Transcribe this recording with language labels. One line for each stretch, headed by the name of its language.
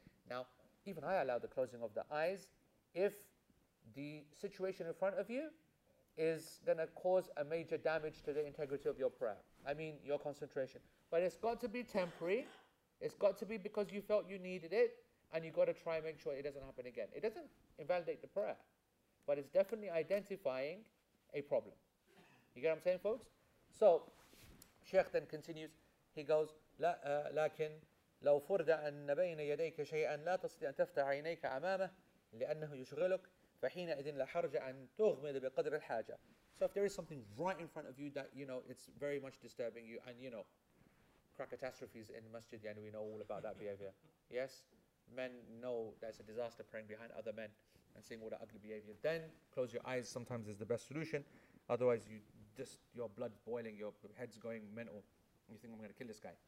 English: Now, even I allow the closing of the eyes if the situation in front of you is going to cause a major damage to the integrity of your prayer. I mean, your concentration. But it's got to be temporary. It's got to be because you felt you needed it, and you got to try and make sure it doesn't happen again. It doesn't invalidate the prayer, but it's definitely identifying a problem. You get what I'm saying, folks? So Sheikh then continues, he goes,
Arabic: لكن لو فرد أن بين يديك شيئا لا تستطيع أن تفتح عينيك أمامه لأنه يشغلك فحينئذ لا حرج أن تغمض بقدر الحاجة.
English: So if there is something right in front of you that, you know, it's very much disturbing you, and you know, crack catastrophes in masjid, and we know all about that behavior. Yes, men know that's a disaster praying behind other men and seeing all the ugly behavior. Then close your eyes sometimes is the best solution. Otherwise, you just, your blood's boiling, your head's going mental, and you think, I'm going to kill this guy.